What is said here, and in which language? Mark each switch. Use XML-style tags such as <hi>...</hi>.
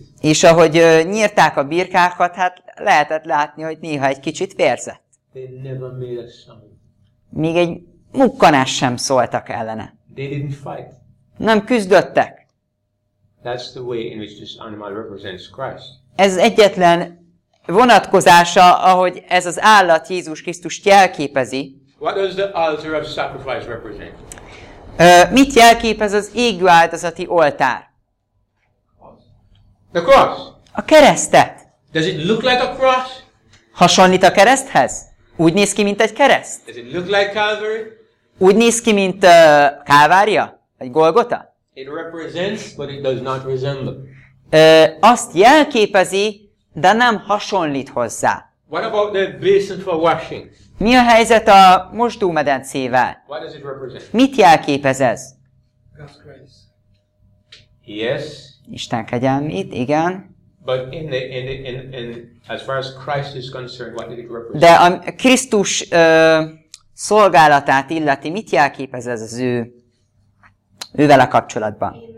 <hu>És ahogy nyírták a birkákat, hát lehetett látni, hogy néha egy kicsit vérzett.</hu> <en>They never made a sound.</en> <hu>Még egy mukkanás sem szóltak ellene.</hu> <en>They didn't fight.</en> <hu>Nem küzdöttek.</hu> <en>That's the way in which this animal represents Christ.</en> <hu>Ez egyetlen vonatkozása, ahogy ez az állat Jézus Krisztus jelképezi.</hu> <en>What does the altar of sacrifice represent?</en> <hu>Mit jelképez az égő áldozati oltár?</hu> <en>The cross.</en> <hu>A keresztet.</hu> <en>Does it look like a cross?</en> <hu>Hasonlít a kereszthez? Úgy néz ki, mint egy kereszt?</hu> <en>Does it look like Calvary?</en> <hu>Úgy néz ki, mint Kálvária? Egy Golgota?</hu> <en>It represents, but it does not resemble.</en> <hu>Azt jelképezi, de nem hasonlít hozzá.</hu> <en>What about the basin for washing?</en> <hu>Mi a helyzet a mosdómedencével?</hu> <en>What does it represent?</en> <hu>Mit jelképez ez?</hu> <en>God's grace. Yes.</en> <hu>Isten kegyelmét, igen. But in as far as Christ is concerned, what did it represent? De a Krisztus szolgálatát illeti, mit jelképez ez az ő vele kapcsolatban?</hu>